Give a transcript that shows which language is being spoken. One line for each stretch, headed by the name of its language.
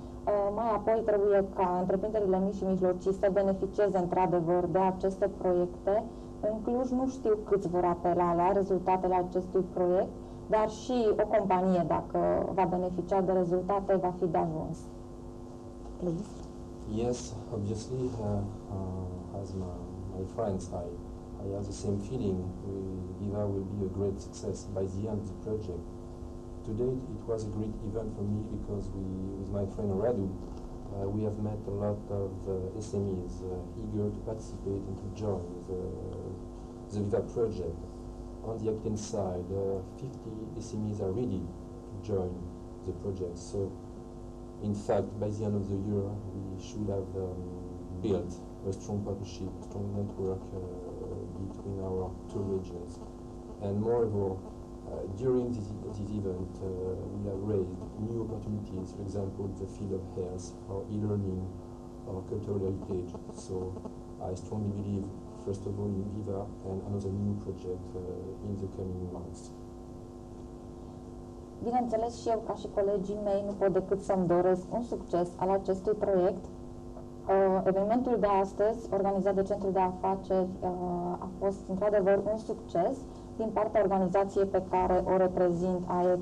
Romanian: Mai apoi trebuie ca întreprinderile mici și mijlocii să beneficieze într-adevăr de aceste proiecte. În Cluj nu știu câți vor apela la rezultatele acestui proiect, dar și o companie, dacă va beneficia de rezultate, va fi de ajuns.
English: Please. Yes, obviously, as my friends, I have the same feeling. Viva will be a great success by the end of the project. Today it was a great event for me because we, with my friend Radu, we have met a lot of SMEs eager to participate and to join the Viva project. On the Aquitaine side, 50 SMEs are ready to join the project. So, in fact, by the end of the year, we should have built a strong partnership, a strong network between our two regions. And moreover, during this event, we have raised new opportunities, for example, the field of health, or e-learning, or cultural heritage. So I strongly believe, first of all, in Viva and another new project in the coming months.
Romanian: Bineînțeles, și eu, ca și colegii mei, nu pot decât să-mi doresc un succes al acestui proiect. Evenimentul de astăzi, organizat de Centrul de Afaceri, a fost într-adevăr un succes din partea organizației pe care o reprezint, AEC.